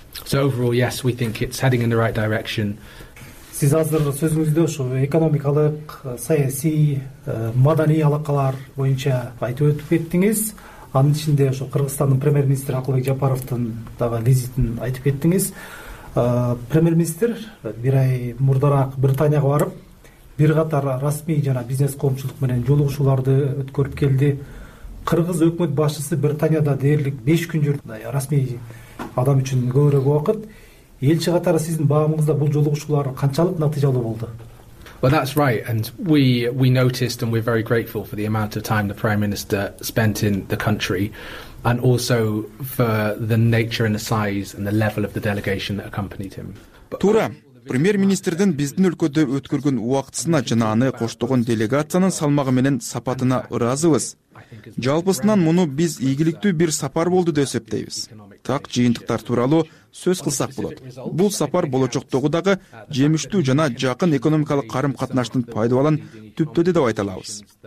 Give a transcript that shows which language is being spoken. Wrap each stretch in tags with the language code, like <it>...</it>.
<en>So overall, yes, we think it's heading in the right direction.</en> <ky>Сиз азыр сөзүңүздө ошо экономикалык, саясий, маданий алакалар боюнча айтып өтүп кеттиңиз. Анын ичинде ошо Кыргызстандын премьер-министр Акылбек Жапаровдун дагы визитин айтып кеттиңиз. Премьер-министр бир ай мурдараак Британияга барып, бир катар расмий жана бизнес коомчулук менен жолугушууларды өткөрүп келди. Кыргыз өкмөт башчысы Британияда дээрлик 5 күн жүрдү. Расмий адам үчүн көбүрөөк убакыт. Элчи катары сиздин баамыңызда бул жолугушуулар канчалык натыйжалуу болду?</ky> <en>Well, that's right, and we noticed and we're very grateful for the amount of time the Prime Minister spent in the country and also for the nature and the size and the level of the delegation that accompanied him.</en> <ky>Туура, премьер-министрдин биздин өлкөдө өткөргөн убактысына жана аны коштогон делегациянын салмагы менен сапатына ыраазыбыз. Жалпысынан муну биз ийгиликтүү бир сапар болду деп эсептейбиз. Так жыйынтыктар тууралуу сөз кылсак болот. Бул сапар болочоктогу дагы жемиштүү жана жакын экономикалык карым-катнаштын пайдаланын түптөдү деп айта алабыз.</ky>